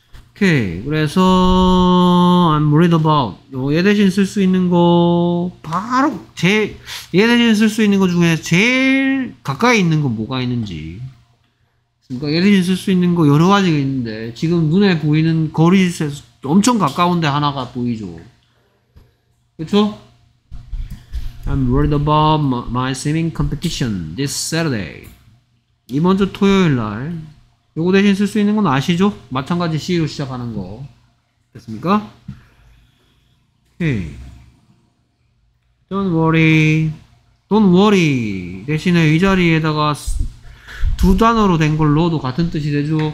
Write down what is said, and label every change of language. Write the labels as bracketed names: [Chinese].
[Korean] 오케이. 그래서 [English] I'm worried about [Korean] 얘 대신 쓸 수 있는 거 바로 얘 대신 쓸 수 있는 거 중에 제일 가까이 있는 거 뭐가 있는지 그러니까 얘 대신 쓸 수 있는 거 여러 가지가 있는데 지금 눈에 보이는 거리에서 엄청 가까운데 하나가 보이죠. 그쵸? [English] I'm worried about my swimming competition this Saturday. [Korean] 이번 주 토요일날 요거 대신 쓸 수 있는 건 아시죠? 마찬가지 C로 시작하는 거 됐습니까? [English] Okay. Don't worry. Don't worry [Korean] 대신에 이 자리에다가 두 단어로 된 걸로도 같은 뜻이 되죠.